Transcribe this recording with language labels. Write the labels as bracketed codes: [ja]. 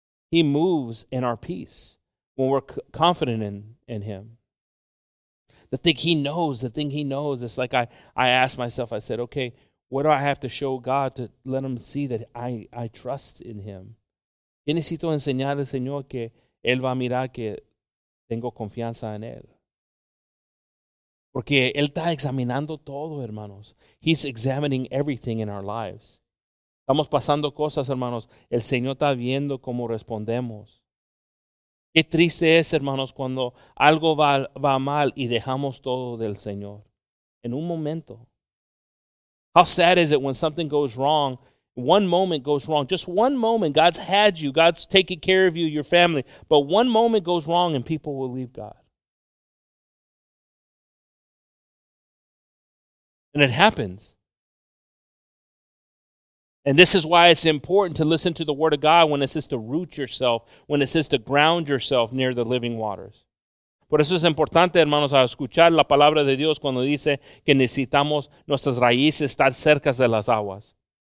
[en] He moves in our peace. When we're confident in him. The thing he knows, it's like I asked myself, I said, okay, what do I have to show God to let him see that I trust in him? [es] ¿Qué necesito enseñar al Señor que él va a mirar que tengo confianza en él? Porque él está examinando todo, hermanos. [en] He's examining everything in our lives. [es] Estamos pasando cosas, hermanos. El Señor está viendo cómo respondemos. Qué triste es, hermanos, cuando algo va mal y dejamos todo del Señor. En un momento. [en] How sad is it when something goes wrong, one moment goes wrong, just one moment, God's had you, God's taking care of you, your family, but one moment goes wrong and people will leave God. And it happens. And this is why it's important to listen to the word of God when it says to root yourself, when it says to ground yourself near the living waters. [es] Por eso es importante, hermanos, a escuchar la palabra de Dios cuando dice que necesitamos nuestras raíces estar cerca de las aguas.